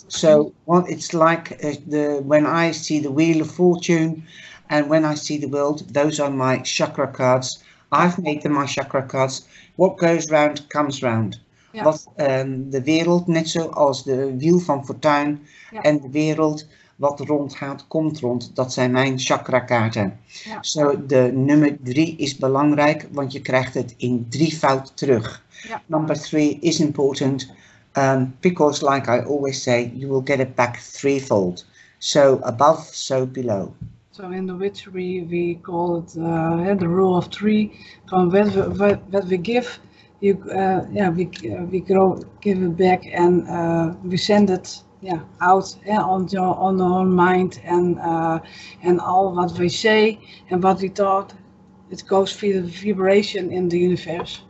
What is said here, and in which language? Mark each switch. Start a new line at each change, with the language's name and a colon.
English: So, well, it's like when I see the Wheel of Fortune and when I see the world, those are my chakra cards. I've made them my chakra cards. What goes round comes round. Yes.
Dutch: Wat de wereld, net zoals de Wiel van Fortuin, yes. En de wereld, wat rondgaat, komt rond. Dat zijn mijn chakra kaarten. Yes. So, de nummer 3 is belangrijk, want je krijgt het in 3-voud terug.
English: Yes. Number 3 is important. Because, like I always say, you will get it back 3-fold. So above, so below. So in the witchery, we call it the rule of 3. From what we give, we grow, give it back, and we send it out on our mind and all what we say and what we thought, it goes via the vibration in the universe.